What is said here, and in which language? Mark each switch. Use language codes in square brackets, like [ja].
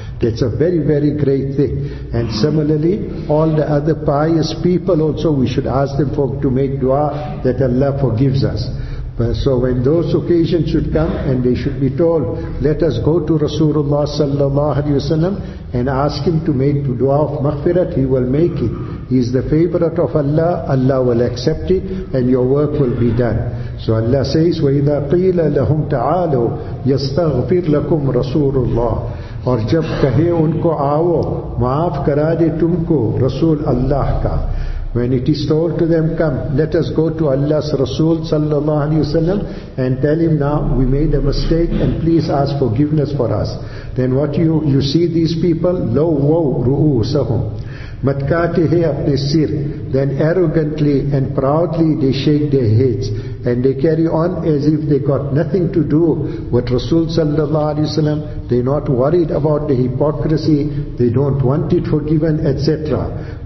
[en] That's a very, very great thing. And similarly, all the other pious people also, we should ask them to make dua that Allah forgives us. So when those occasions should come and they should be told, let us go to Rasulullah sallallahu alayhi wa sallam and ask him to make dua of maghfirat, he will make it. He is the favorite of Allah, Allah will accept it and your work will be done. So Allah says, [ar] وَإِذَا قِيلَ لَهُمْ تَعَالُوا يَسْتَغْفِرْ لَكُمْ رَسُولُ اللَّهِ. [ur] اور جب کہے ان کو آؤ, معاف کرا دے تم کو رسول اللہ کا. [en] When it is told to them, come, let us go to Allah's Rasul sallallahu alayhi wa sallam and tell him now we made a mistake and please ask forgiveness for us. Then what you see these people, low woe ru'usahum, [ur] matkati hai apne sir, [en] then arrogantly and proudly they shake their heads and they carry on as if they got nothing to do with Rasul sallallahu alayhi wa sallam, they're not worried about the hypocrisy, they don't want it forgiven, etc.